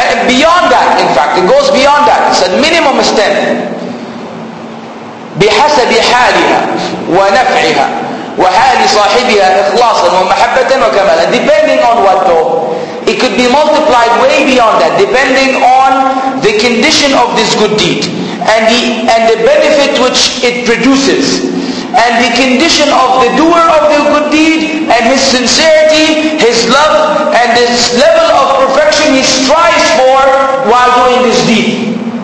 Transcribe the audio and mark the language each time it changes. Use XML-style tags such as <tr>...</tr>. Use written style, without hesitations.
<en>Beyond that, in fact, it goes beyond that. It said minimum is 10.</en> <ar>بحسب حالها ونفعها وحال صاحبها إخلاصا ومحبة وكمالا.</ar> <en>Depending on what though? It could be multiplied way beyond that, depending on the condition of this good deed and the benefit which it produces, and the condition of the doer of the good deed, and his sincerity, his love, and this level of perfection he strives for while doing this deed.</en>